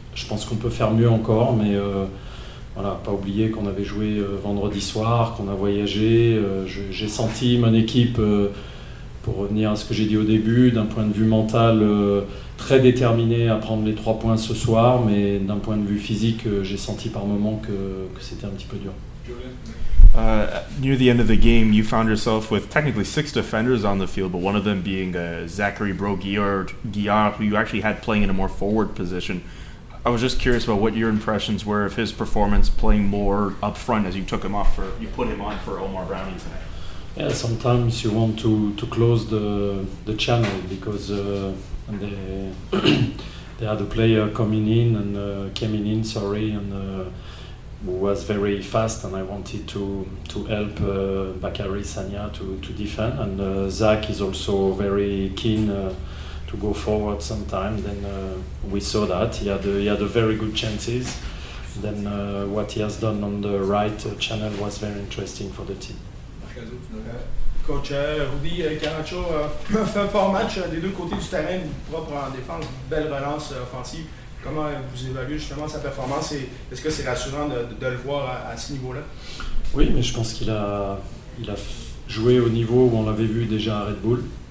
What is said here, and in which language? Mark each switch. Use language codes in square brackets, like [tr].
[fr] Je pense qu'on peut faire mieux encore, mais voilà, pas oublier qu'on avait joué vendredi soir, qu'on a voyagé. J'ai senti mon équipe, pour revenir à ce que j'ai dit au début, d'un point de vue mental, très déterminé à prendre les trois points ce soir, mais d'un point de vue physique, j'ai senti par moments que c'était un petit peu dur. [en] Near the end of the game, you found yourself with technically six defenders on the field, but one of them being Zachary Broguillard, who you actually had playing in a more forward position. I was just curious about what your impressions were of his performance playing more up front as you took him off for, you put him on for Omar Browning tonight. Yeah, sometimes you want to close the channel because they had a player coming in, and who was very fast, and I wanted to help Bakary Sagna to defend, and Zach is also very keen to go forward sometime. Then we saw that he had a very good chances. Then what he has done on the right channel was very interesting for the team. [fr] Coach Rudy Caracho a fait un fort match des deux côtés du terrain, propre en défense, belle relance offensive. Comment vous évaluez justement sa performance et est-ce que c'est rassurant de le voir à ce niveau-là? Oui, mais je pense qu'il a joué au niveau où on l'avait vu déjà à Red Bull.